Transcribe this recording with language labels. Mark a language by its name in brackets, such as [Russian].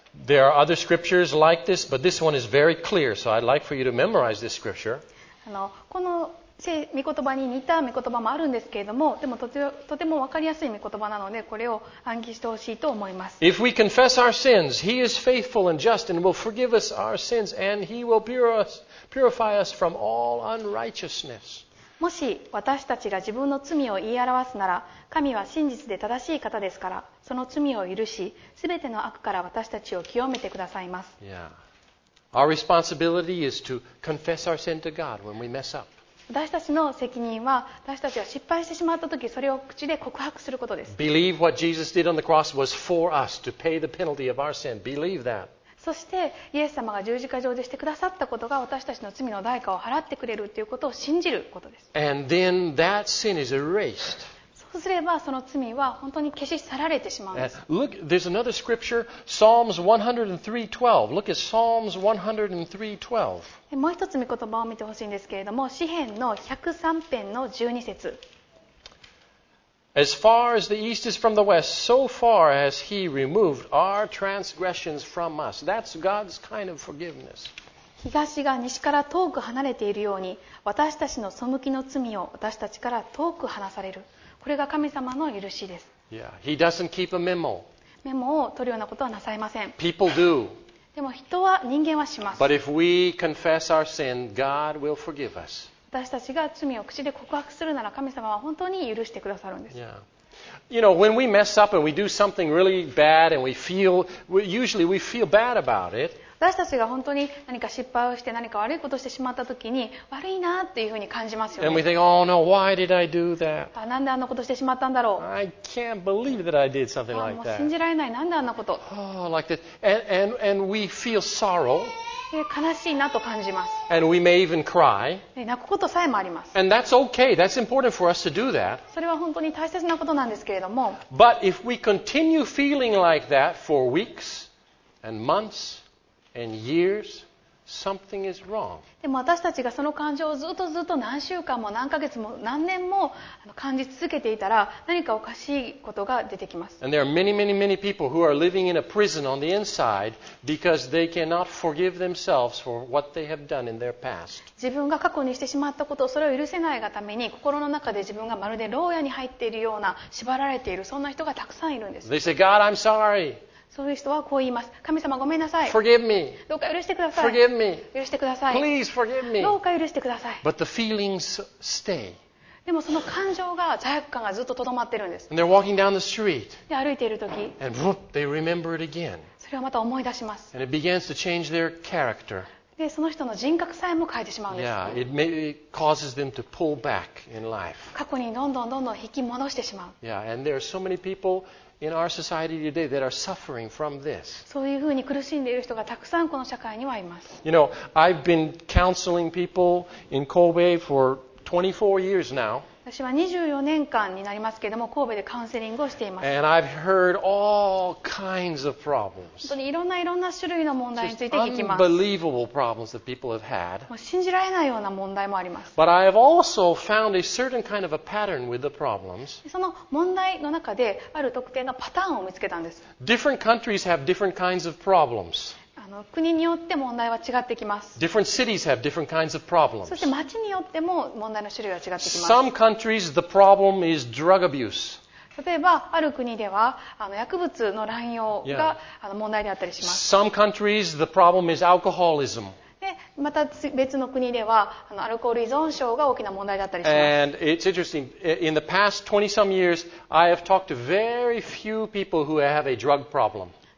[English] There are other scriptures like this, but this one is very clear, so I'd like for you to memorize this scripture. [Japanese] あの、この御言葉に似た御言葉もあるんですけれども、でも とても分かりやすい御言葉なので、これを暗記してほしいと思います。 [English] If we confess our sins, He is faithful and just and will forgive us our sins and He will purify us from all unrighteousness. [Japanese] もし私たちが自分の罪を言い表すなら、神は真実で正しい方ですから、その罪を許し、すべての悪から私たちを清めてくださいます。 Yeah. [English] Our responsibility is to confess our sin to God when we mess up. [Japanese] 私たちの責任は、私たちは失敗してしまったとき、それを口で告白することです。 [English] Believe what Jesus did on the cross was for us to pay the penalty of our sin. Believe that. [Japanese] そして、イエス様が十字架上でしてくださったことが、私たちの罪の代価を払ってくれるということを信じることです。 [English] And then that sin is erased. [Japanese] そうすれば、その罪は本当に消し去られてしまうんです。 [English] Look, there's another scripture, Psalms 103:12. Look at Psalms 103:12. [Japanese] もう一つ御言葉を見てほしいんですけれども、詩編の103編の12節。 [English] As far as the east is from the west, so far has He removed our transgressions from us. That's God's kind of forgiveness. [Japanese] 東が西から遠く離れているように、私たちの背きの罪を私たちから遠く離される。これが神様の許しです。 [English] Yeah, He doesn't keep a memo. [Japanese] メモを取るようなことはなさいません。 [English] People do. [Japanese] でも人は人間はします。 [English] But if we confess our sin, God will forgive us. [Japanese] 私たちが罪を口で告白するなら神様は本当に許してくださるんです。 Yeah. [English] You know, when we mess up and we do something really bad and usually we feel bad about it. [Japanese] 私たちが本当に何か失敗をして何か悪いことをしてしまったときに悪いなっていうふうに感じますよね。 [English] And we think, oh no, why did I do that? [Japanese] なんであんなことしてしまったんだろう。 [English] I can't believe that I did something like that. [Japanese] もう信じられない、なんであんなこと。 [English] Oh, like that. And we feel sorrow. [Japanese] 悲しいなと感じます。 [English] And we may even cry. [Japanese] 泣くことさえもあります。 [English] And that's okay. That's important for us to do that. [Japanese] それは本当に大切なことなんですけれども。 [English] But if we continue feeling like that for weeks and months,And years, something is wrong. [Japanese] でも私たちがその感情をずっとずっと何週間も何ヶ月も何年も感じ続けていたら何かおかしいことが出てきます。 [English] And there are many, many, many people who are living in a prison on the inside because they cannot forgive themselves for what they have done in their past. [Japanese] 自分が過去にしてしまったことをそれを許せないがために心の中で自分がまるで牢屋に入っているような縛られているそんな人がたくさんいるんです。 [English] They say, God, I'm sorry. [Japanese] そういう人はこう言います。神様ごめんなさい。 [English] Forgive me. [Japanese] どうか許してください。 [English] Forgive me. [Japanese] 許してください。 [English] Please forgive me. [Japanese] どうか許してください。 [English] But the feelings stay. [Japanese] でもその感情が罪悪感がずっととどまってるんです。 [English] And they're walking down the street. [Japanese] で歩いているとき。 [English] And whoop, they remember it again. [Japanese] それをまた思い出します。 [English] And it begins to change their character. [Japanese] でその人の人格さえも変えてしまうんです。 [English] Yeah, it may causes them to pull back in life. [Japanese] 過去にどんどんどんどん引き戻してしまう。 [English] Yeah, and there are so many people. In our society today, that are suffering from this. [Japanese] そういうふうに苦しんでいる人がたくさんこの社会にはいます。 [English] You know, I've been counseling people in Kobe for 24 years now. [Japanese] 私は24年間になりますけれども、神戸でカウンセリングをしています。 [English] And I've heard all kinds of problems. [Japanese] 本当にいろんないろんな種類の問題について聞きます。 [English] Just unbelievable problems that people have had. [Japanese] もう信じられないような問題もあります。 [English] But I have also found a certain kind of a pattern with the problems. [Japanese] その問題の中である特定のパターンを見つけたんです。 [English] Different countries have different kinds of problems. [Japanese] 国によって問題は違ってきます。 [English] Different cities have different kinds of problems. [Japanese] そして町によっても問題の種類は違ってきます。 [English] Some countries, the problem is drug abuse. [Japanese] 例えばある国では薬物の乱用が、yeah. 問題であったりします。 [English] Some countries, the problem is alcoholism. [Japanese] でまた別の国ではアルコール依存症が大きな問題だったりします。 [English] And it's interesting. In the past 20 some years, I have talked to very few people who have a drug problem.